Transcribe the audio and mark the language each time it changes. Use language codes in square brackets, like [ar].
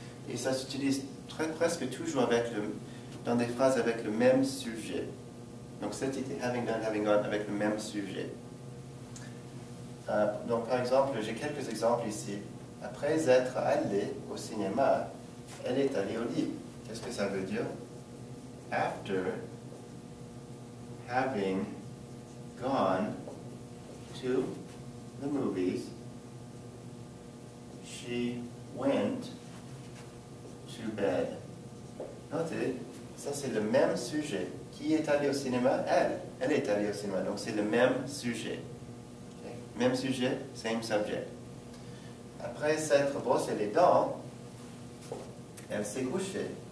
[fr] Et ça s'utilise presque toujours dans des phrases avec le même sujet. Donc cette idée, [en] having done, having gone, [fr] avec le même sujet. Donc par exemple, j'ai quelques exemples ici. Après être allée au cinéma, elle est allée au lit. Qu'est-ce que ça veut dire? [en] After having gone to the movies, she went to bed. [fr] Notez, ça c'est le même sujet. Qui est allé au cinéma? Elle. Elle est allée au cinéma, donc c'est le même sujet. Okay. Même sujet, [en] same subject. [fr] Après s'être brossé les dents, elle s'est couchée.